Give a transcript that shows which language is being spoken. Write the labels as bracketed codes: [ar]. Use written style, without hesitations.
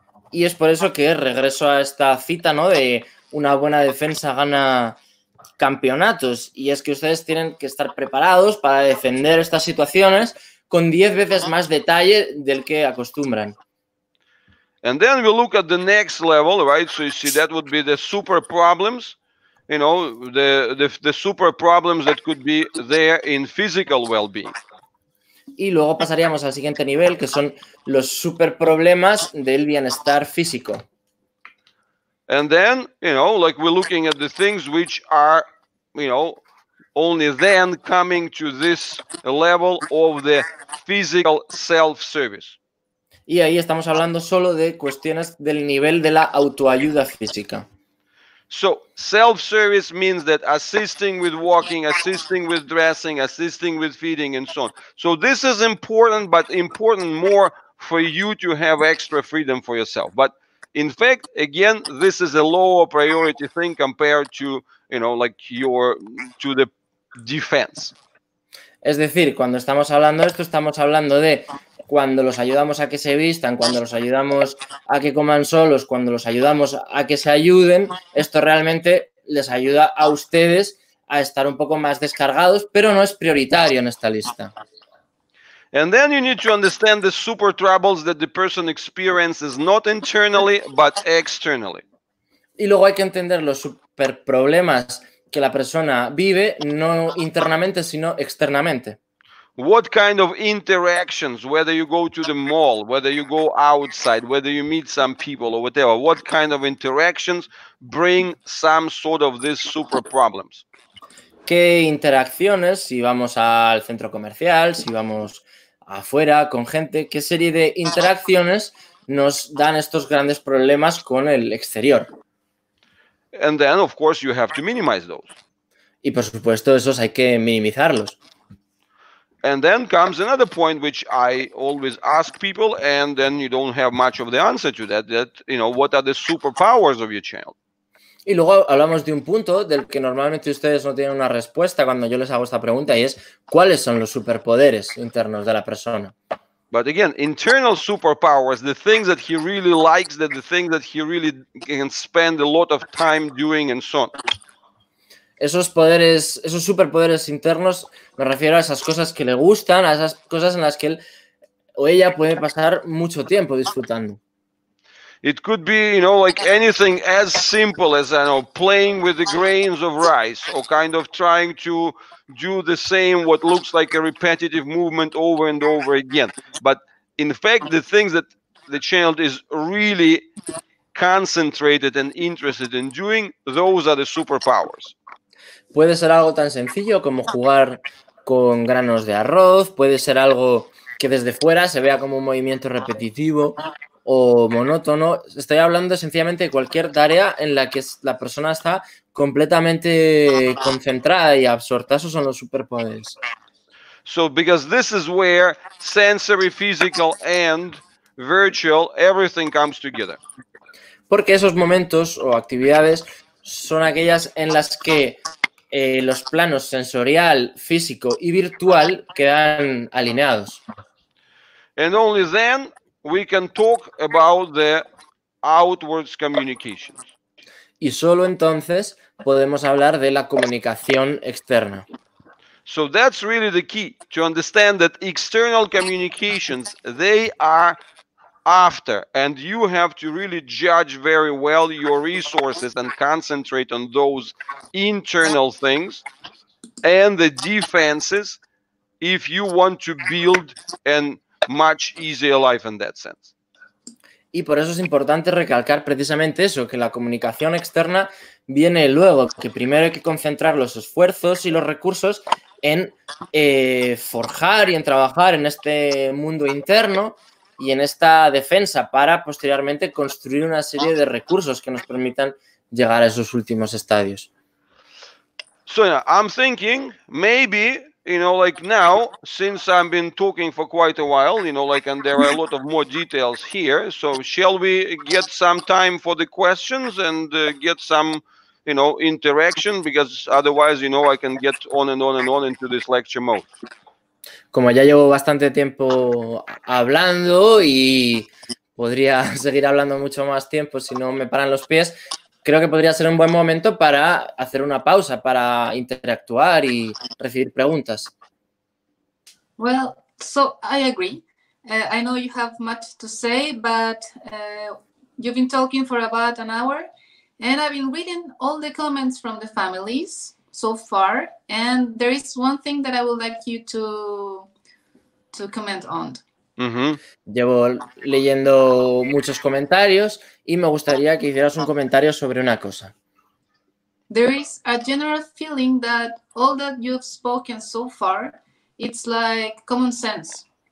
[es] Y es por eso que regreso a esta cita, ¿no? De una buena defensa gana campeonatos. Y es que ustedes tienen que estar preparados para defender estas situaciones con 10 veces más detalle del que acostumbran. [en] And then we look at the next level, right? So you see, that would be the super problems, you know, the super problems that could be there in physical well-being. [es] Y luego pasaríamos al siguiente nivel, que son los super problemas del bienestar físico. [en] And then, you know, like we're looking at the things which are, you know, only then coming to this level of the physical self-service. [es] Y ahí estamos hablando solo de cuestiones del nivel de la autoayuda física. [en] So, self-service means that assisting with walking, assisting with dressing, assisting with feeding and so on. So this is important, but important more for you to have extra freedom for yourself. But in fact, again, this is a lower priority thing compared to, you know, like your, to the defense. [es] Es decir, cuando estamos hablando de esto, estamos hablando de cuando los ayudamos a que se vistan, cuando los ayudamos a que coman solos, cuando los ayudamos a que se ayuden, esto realmente les ayuda a ustedes a estar un poco más descargados, pero no es prioritario en esta lista. [en] And then you need to understand the super troubles that the person experiences not internally, but externally. [es] Y luego hay que entender los super problemas que la persona vive, no internamente, sino externamente. [en] What kind of interactions, whether you go to the mall, whether you go outside, whether you meet some people or whatever, what kind of interactions bring some sort of these super problems? [es] ¿Qué interacciones, si vamos al centro comercial, si vamos afuera con gente, qué serie de interacciones nos dan estos grandes problemas con el exterior? [en] And then, of course, you have to minimize those. [es] Y por supuesto, esos hay que minimizarlos. [en] And then comes another point which I always ask people, and then you don't have much of the answer to that, that, you know, what are the superpowers of your child? [es] Y luego hablamos de un punto del que normalmente ustedes no tienen una respuesta cuando yo les hago esta pregunta, y es ¿cuáles son los superpoderes internos de la persona? [en] But again, internal superpowers, the things that he really likes, that the things that he really can spend a lot of time doing and so on. [es] Esos poderes, esos superpoderes internos, me refiero a esas cosas que le gustan, a esas cosas en las que él o ella puede pasar mucho tiempo disfrutando. [en] It could be, you know, like anything as simple as, you know, playing with the grains of rice or kind of trying to do the same what looks like a repetitive movement over and over again. But in fact, the things that the child is really concentrated and interested in doing, those are the superpowers. [es] Puede ser algo tan sencillo como jugar con granos de arroz, puede ser algo que desde fuera se vea como un movimiento repetitivo o monótono. Estoy hablando sencillamente de cualquier tarea en la que la persona está completamente concentrada y absorta. Esos son los superpoderes. [en] So, because this is where sensory, physical and virtual, everything comes together. [es] Porque esos momentos o actividades son aquellas en las que los planos sensorial, físico y virtual quedan alineados. [en] And only then we can talk about the outwards communication. [es] Y solo entonces podemos hablar de la comunicación externa. [en] So that's really the key to understand that external communications, they are after, and you have to really judge very well your resources and concentrate on those internal things and the defenses if you want to build a much easier life in that sense. [es] Y por eso es importante recalcar precisamente eso, que la comunicación externa viene luego, que primero hay que concentrar los esfuerzos y los recursos en forjar y en trabajar en este mundo interno y en esta defensa para posteriormente construir una serie de recursos que nos permitan llegar a esos últimos estadios. [en] So yeah, I'm thinking maybe, you know, like now, since I've been talking for quite a while, you know, like, and there are a lot of more details here, so shall we get some time for the questions and get some, you know, interaction, because otherwise, you know, I can get on and on and on into this lecture mode. [es] Como ya llevo bastante tiempo hablando y podría seguir hablando mucho más tiempo si no me paran los pies, creo que podría ser un buen momento para hacer una pausa, para interactuar y recibir preguntas. [en] Well, so I agree. I know you have much to say, but you've been talking for about an hour and I've been reading all the comments from the families so far, and there is one thing that I would like you to comment on. [es] Llevo leyendo muchos comentarios y me gustaría que hicieras un comentario sobre una cosa. [en] There is a general feeling that all that you've spoken so far, it's like common sense.